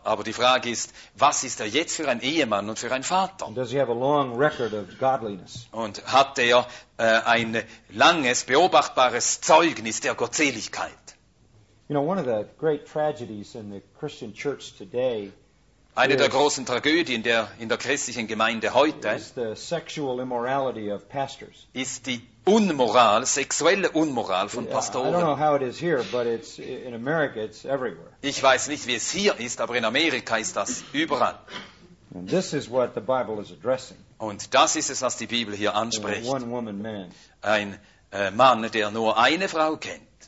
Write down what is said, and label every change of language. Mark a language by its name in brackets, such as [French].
[German] Aber die Frage ist, was ist jetzt für ein Ehemann und für ein Vater? [English] And does he have a long record of godliness? [German] Und hat ein langes, beobachtbares Zeugnis der Gottseligkeit? [English] You know, one of the great tragedies in the Christian church today. [German] Eine der großen Tragödien in der christlichen Gemeinde heute [English] is the sexual immorality of pastors. [German] Ist die Unmoral, sexuelle Unmoral von Pastoren. [English] I don't know how it is here, but it's in America, it's everywhere. [German] Ich weiß nicht, wie es hier ist, aber in Amerika ist das überall. [English] And this is what the Bible is addressing. [German] Und das ist es, was die Bibel hier anspricht. [English] One woman man. [German] Ein Mann, der nur eine Frau kennt.